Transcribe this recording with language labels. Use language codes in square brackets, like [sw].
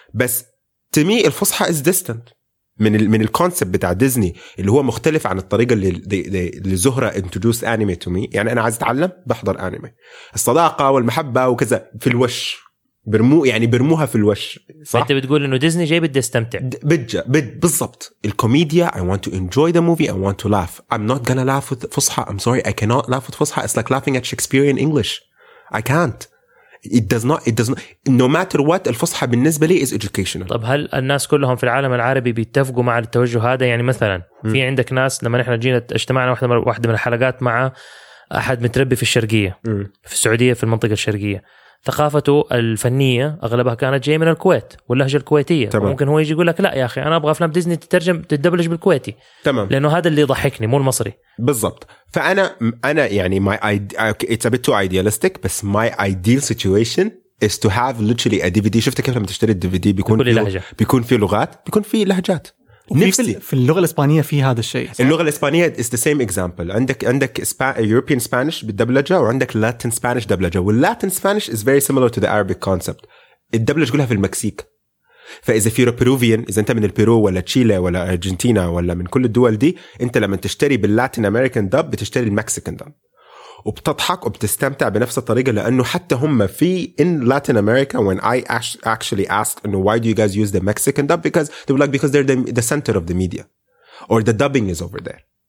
[ar] بس تمي الفصحى [en] is distant [ar] من الكونسبت بتاع ديزني اللي هو مختلف عن الطريقة اللي زهرة انتدوس انيمي تمي يعني أنا عايز أتعلم بحضر انيمي الصداقة والمحبة وكذا في الوش برموها في الوش صح؟ أنت بتقول إنه ديزني جاي بدي استمتع بالضبط الكوميديا [en] I want to enjoy the movie I want to laugh I'm not gonna laugh with فصحى I'm sorry I cannot laugh with فصحى It's like laughing at Shakespearean English I can't It does not. No matter what, [ar] الفصحى بالنسبة لي [en] is educational. [ar] طب هل الناس كلهم في العالم العربي بيتفقوا مع التوجه هذا؟ يعني مثلاً في عندك ناس لما نحن جينا اجتمعنا واحدة من الحلقات مع أحد متربي في الشرقية في السعودية في المنطقة الشرقية ثقافته الفنية أغلبها كانت جاي من الكويت واللهجة الكويتية. تمام. ممكن هو يجي يقول لك لا يا أخي أنا أبغى أفلام ديزني تترجم تدبلج بالكويتي. تمام. لأنه هذا اللي ضحكني مو المصري. بالضبط. فأنا يعني [en] my idea it's a bit too idealistic [ar] بس [en] my ideal situation is to have literally a DVD [ar] شفت كيف لما تشتري DVD بيكون فيه لغات بيكون فيه لهجات. نفسي في اللغة الإسبانية في هذا الشيء. اللغة الإسبانية [en] is the same example. [ar] عندك [en] European Spanish [ar] بالدبلجة وعندك [en] Latin Spanish [ar] دبلجة. واللاتين [en] Spanish is very similar to the Arabic concept. [ar] الدبلجة كلها في المكسيك. فإذا في Peruvian إذا أنت من البيرو ولا تشيلي ولا أرجنتينا ولا من كل الدول دي أنت لما تشتري باللاتين [en] American dub [ar] بتشتري المكسيكان dub. وبتضحك وبتستمتع بنفس الطريقة لأنه حتى هم في [en] in Latin America when I actually asked [ar] إنه [en] why do you guys use the Mexican dub because they were like because they're the center of the media or the dubbing is over there